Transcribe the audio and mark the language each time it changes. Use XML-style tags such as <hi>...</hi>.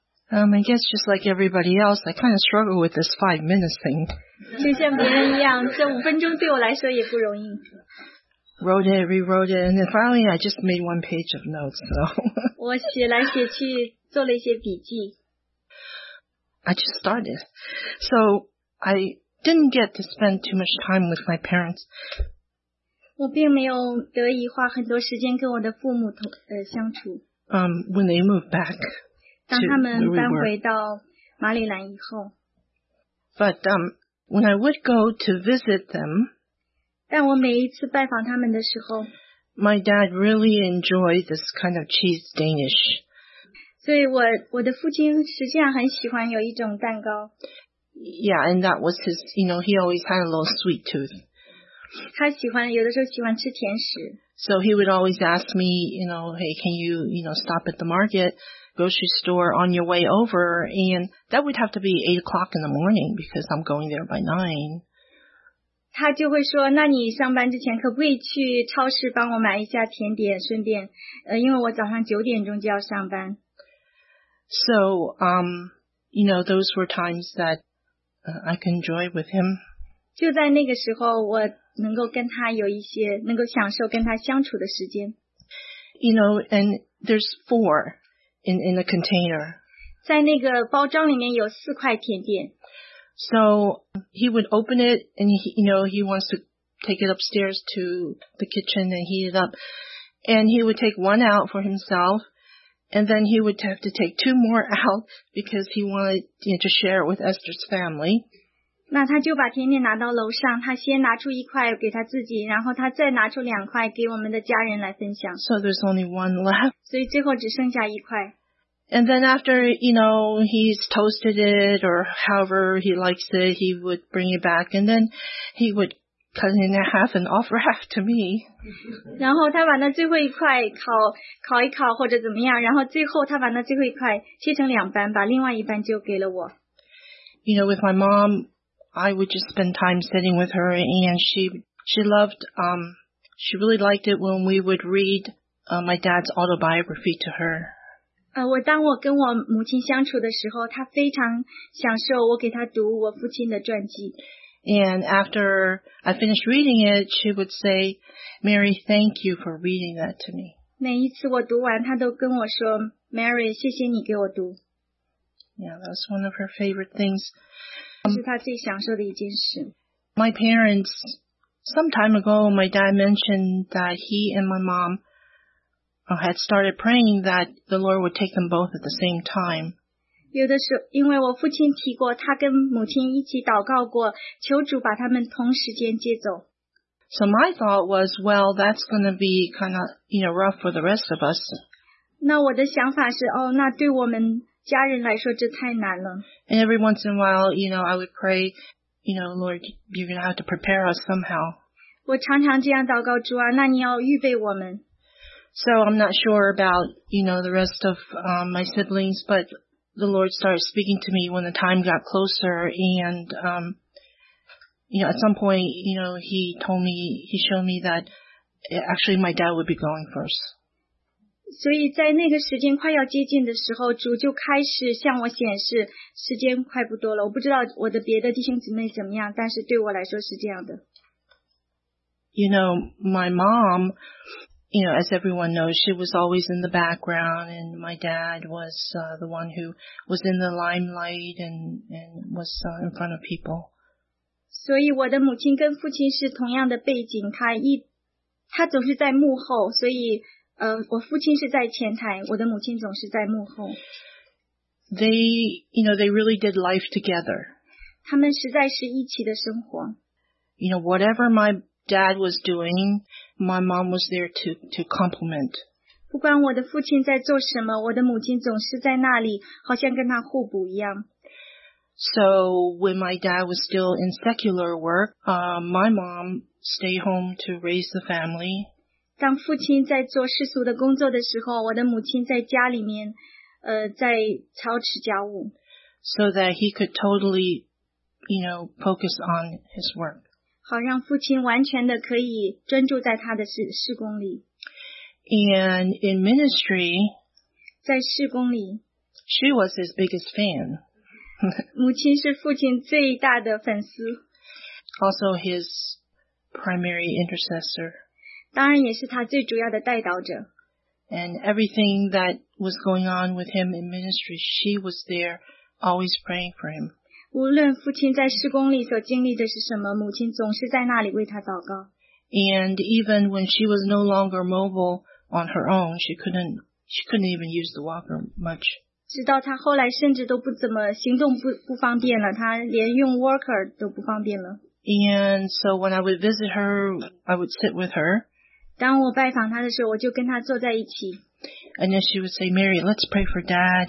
<en>I guess just like everybody else, I kind of struggle with this 5 minutes thing.</en> <zh>就像别人一样，这五分钟对我来说也不容易。</zh> <en>Wrote it, rewrote it, and then finally I just made one page of notes, so.</en> <zh>我写来写去做了一些笔记。</zh> <en>I just started. So I didn't get to spend too much time with my parents.</en> <zh>我并没有得以花很多时间跟我的父母同相处。</zh> <en>When they moved back.</en> <zh>当他们搬回到马里兰以后。</zh> <en>But when I would go to visit them,</en> <zh>但我每一次拜访他们的时候</zh> <en>，My dad really enjoyed this kind of cheese Danish.</en> <zh>所以我的父亲实际上很喜欢有一种蛋糕。</zh> <en>Yeah, and that was his. You know, he always had a little sweet tooth.</en> <zh>他喜欢有的时候喜欢吃甜食。</zh> <en>So he would always ask me, you know, hey, can you, you know, stop at the market, grocery store on your way over, and that would have to be 8 o'clock in the morning because I'm going there by 9.</en> <zh>他就会说，那你上班之前可不可以去超市帮我买一下甜点，顺便，因为我早上九点钟就要上班。</zh> <en>So, you know, those were times that I could enjoy with him.</en> <zh>就在那个时候，我能够跟他有一些，能够享受跟他相处的时间。</zh> <en>You know, and there's four in a container.</en> <zh>在那个包装里面有四块甜点。</zh> <en>So he would open it and he, you know, he wants to take it upstairs to the kitchen and heat it up. And he would take one out for himself and then he would have to take two more out because he wanted, you know, to share it with Esther's family.</en> <zh>那他就把甜点拿到楼上，他先拿出一块给他自己，然后他再拿出两块给我们的家人来分享。</zh> <en>So there's only one left.</en> <zh>所以最后只剩下一块。</zh> <en>And then after, you know, he's toasted it or however he likes it, he would bring it back. And then he would cut it in half and offer half to me.</en> <zh>然后他把那最后一块烤一烤或者怎么样，然后最后他把那最后一块切成两半，把另外一半就给了我。</zh> <en>You know, with my mom, I would just spend time sitting with her and she loved, she really liked it when we would read my dad's autobiography to her.</en> <zh>我当我跟我母亲相处的时候，她非常享受我给她读我父亲的传记。</zh> <en>And after I finished reading it, she would say, Mary, thank you for reading that to me.</en> <zh>每一次我读完，她都跟我说 ,Mary, 谢谢你给我读。</zh> <en>Yeah, that was one of her favorite things.</en> <zh>是她最享受的一件事。</zh> <en>My parents, some time ago, my dad mentioned that he and my mom,had started praying that the Lord would take them both at the same time.</en> <zh>有的时候，因为我父亲提过，他跟母亲一起祷告过，求主把他们同时间接走。</zh> <en>So my thought was, well, that's going to be kind of, you know, rough for the rest of us.</en> <zh>那我的想法是，哦，那对我们家人来说，这太难了。</zh> <en>And every once in a while, you know, I would pray, you know, Lord, you're going to have to prepare us somehow.</en> <zh>我常常这样祷告，主啊，那你要预备我们。</zh> <en>So I'm not sure about, you know, the rest of my siblings, but the Lord started speaking to me when the time got closer. And, you know, at some point, you know, he told me, he showed me that actually my dad would be going first.</en> <zh>所以在那个时间快要接近的时候，主就开始向我显示时间快不多了。我不知道我的别的弟兄姊妹怎么样，但是对我来说是这样的。</zh> <en>You know, my mom... you know, as everyone knows, she was always in the background, and my dad was the one who was in the limelight and was in front of people.</en> <zh>所以我的母亲跟父亲是同样的背景，他总是在幕后，所以我父亲是在前台，我的母亲总是在幕后。</zh> <en>They, you know, they really did life together.</en> <zh>他们实在是一起的生活。</zh> <en>You know, whatever my dad was doing, my mom was there to complement.</en> <zh>不管我的父亲在做什么，我的母亲总是在那里，好像跟他互补一样。</zh> <en>So when my dad was still in secular work, my mom stayed home to raise the family.</en> <zh>当父亲在做世俗的工作的时候，我的母亲在家里面，在操持家务。</zh> <en>So that he could totally, you know, focus on his work.</en> <zh>好让父亲完全的可以专注在他的事工里。</zh> <en>And in ministry,</en> <zh>在事工里</zh> <en>she was his biggest fan.</en> <zh>母亲是父亲最大的粉丝。</zh> <en>Also his primary intercessor.</en> <zh>当然也是他最主要的代导者。</zh> <en>And everything that was going on with him in ministry, she was there, always praying for him.</en> <zh>无论父亲在事工里所经历的是什么，母亲总是在那里为他祷告。</zh> <en>And even when she was no longer mobile on her own, she couldn't even use the walker much.</en> <zh>直到她后来甚至都不怎么行动不方便了，她连用 walker 都不方便了。</zh> <en>And so when I would visit her, I would sit with her.</en> <zh>当我拜访她的时候，我就跟她坐在一起。</zh> <en>And then she would say, Mary, let's pray for Dad.</en>